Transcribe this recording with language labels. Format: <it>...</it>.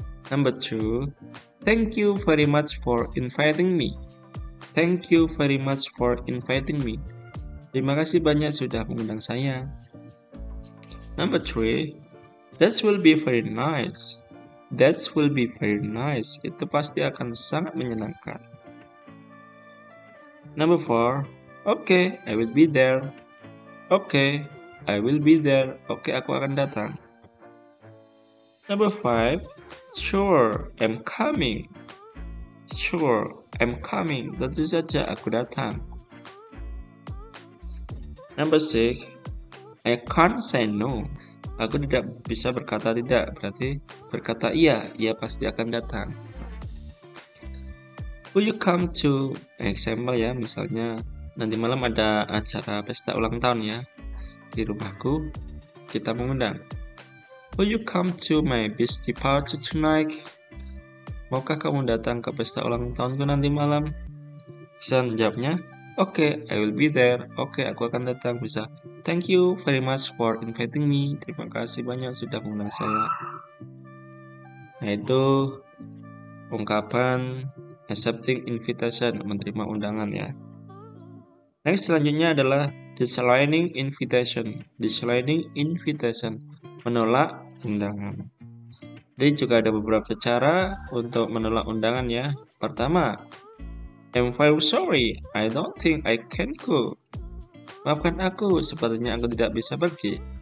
<en>Number two, thank you very much for inviting me. Thank you very much for inviting me.</en> <id>Terima kasih banyak sudah mengundang saya.</id> <en>Number three, that will be very nice. That will be very nice.</en> <id>Itu pasti akan sangat menyenangkan.</id> <en>Number four, okay, I will be there. Okay, I will be there. Okay,</en> <id>aku akan datang.</id> <en>Number five, sure, I'm coming. Sure, I'm coming.</en> <id>Tentu saja aku datang.</id> <en>Number six, I can't say no.</en> <id>Aku tidak bisa berkata tidak. Berarti berkata iya, ia pasti akan datang. Will you come to? Example ya, misalnya nanti malam ada acara pesta ulang tahun ya di rumahku, kita mengundang.</id> <en>Will you come to my birthday party tonight?</en> <id>Maukah kamu datang ke pesta ulang tahunku nanti malam? Bisa menjawabnya, oke,</id> <en>okay, I will be there.</en> <id>Oke, okay, aku akan datang.</id> <en>Bisa, thank you very much for inviting me.</en> <id>Terima kasih banyak sudah mengundang saya. Nah, itu ungkapan</id> <en>accepting invitation,</en> <id>menerima undangan ya. Next selanjutnya adalah</id> <en>declining invitation. Declining invitation,</en> <id>menolak undangan. Jadi juga ada beberapa cara untuk menolak undangan ya.</id> <en>Pertama, I'm very sorry, I don't think I can go.</en> <id>Maafkan aku, sepertinya aku tidak bisa pergi.</id>